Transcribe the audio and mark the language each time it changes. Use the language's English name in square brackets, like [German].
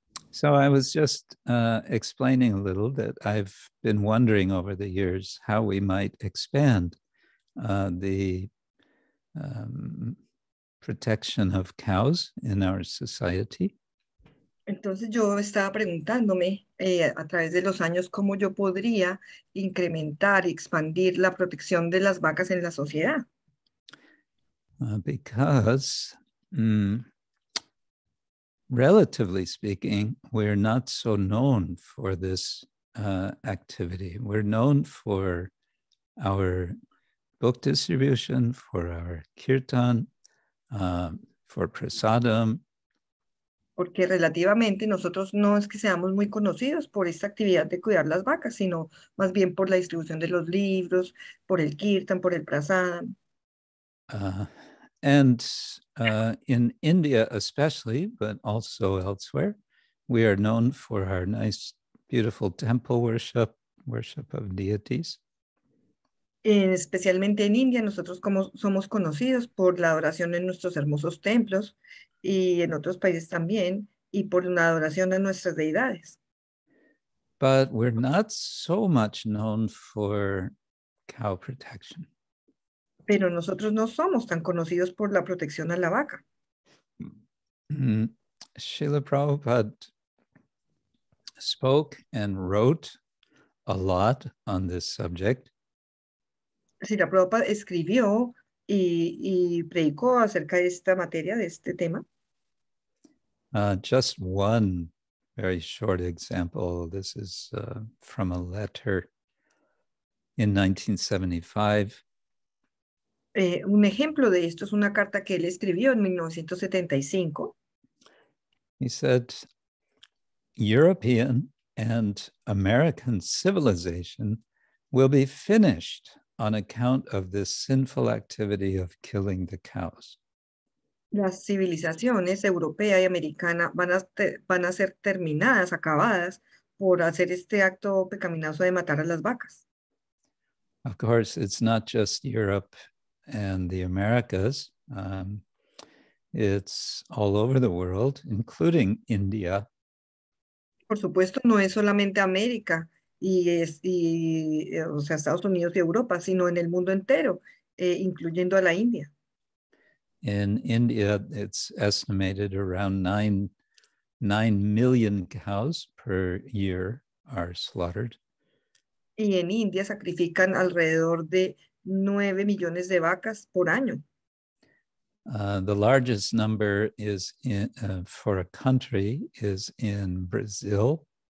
[English] So I was just explaining a little that I've been wondering over the years how we might expand the protection of cows in our society. [Spanish] Entonces yo estaba preguntándome a través de los años cómo yo podría incrementar y expandir la protección de las vacas en la sociedad. [English] Because, relatively speaking, we're not so known for this activity. We're known for our book distribution, for our kirtan, for prasadam. [Spanish] Porque relativamente nosotros no es que seamos muy conocidos por esta actividad de cuidar las vacas, sino más bien por la distribución de los libros, por el kirtan, por el prasadam. [English] And in India especially, but also elsewhere, we are known for our nice, beautiful temple worship of deities. [Spanish] Especialmente en India, nosotros como somos conocidos por la adoración en nuestros hermosos templos y en otros países también, y por la adoración a nuestras deidades. [English] But we're not so much known for cow protection. [Spanish] Pero nosotros no somos tan conocidos por la protección a la vaca. [English] Srila Prabhupada spoke and wrote a lot on this subject. [Spanish] Srila Prabhupada escribió y predicó acerca de esta materia, de este tema. [English] Just one very short example. This is from a letter in 1975. [Spanish] Un ejemplo de esto es una carta que él escribió en 1975. [English] He said, "European and American civilization will be finished on account of this sinful activity of killing the cows. [Spanish] Las civilizaciones europea y americana van a ser terminadas, acabadas, por hacer este acto pecaminoso de matar a las vacas. [English] Of course, it's not just Europe and the Americas. It's all over the world, including India. [Spanish] Por supuesto, no es solamente América y Estados Unidos y Europa, sino en el mundo entero, incluyendo a la India. [English] In India, it's estimated around 9 million cows per year are slaughtered. [Spanish] Y en India sacrifican alrededor de 9 millones de vacas por año. [English] The largest number is for a country is in Brazil.